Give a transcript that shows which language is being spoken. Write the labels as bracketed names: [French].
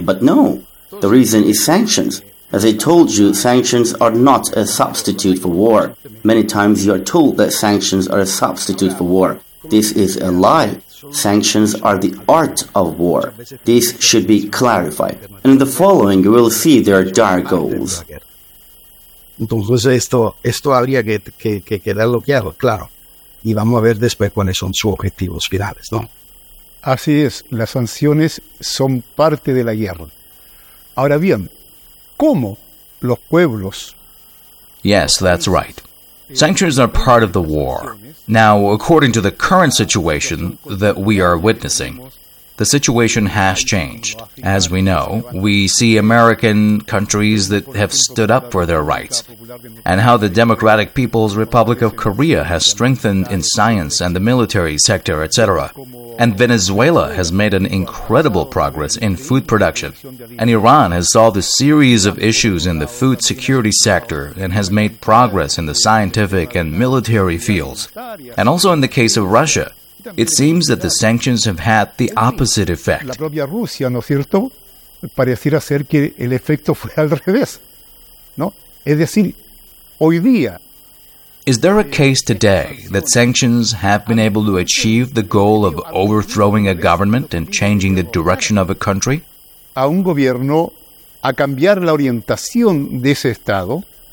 [English] But no, the reason is sanctions. As I told you, sanctions are not a substitute for war. Many times you are told that sanctions are a substitute for war. This is a lie. Sanctions are the art of war. This should be clarified. And in the following, you will see their dire goals. [Spanish] Entonces esto habría que quedarlo claro, claro. Y vamos a ver después cuáles son sus objetivos finales, ¿no? Así es. Las sanciones son parte de la guerra. Ahora bien, ¿cómo los pueblos? [English] Yes, that's right. Sanctions are part of the war. Now, according to the current situation that we are witnessing, the situation has changed. As we know, we see American countries that have stood up for their rights, and how the Democratic People's Republic of Korea has strengthened in science and the military sector, etc. And Venezuela has made an incredible progress in food production. And Iran has solved a series of issues in the food security sector and has made progress in the scientific and military fields. And also in the case of Russia, it seems that the sanctions have had the opposite effect. [Spanish] La propia Rusia, ¿no es cierto? Pareciera ser que el efecto fue al revés, ¿no? Es decir, hoy día... [English] Is there a case today that sanctions have been able to achieve the goal of overthrowing a government and changing the direction of a country? [Spanish] A un gobierno a cambiar la orientación de ese estado?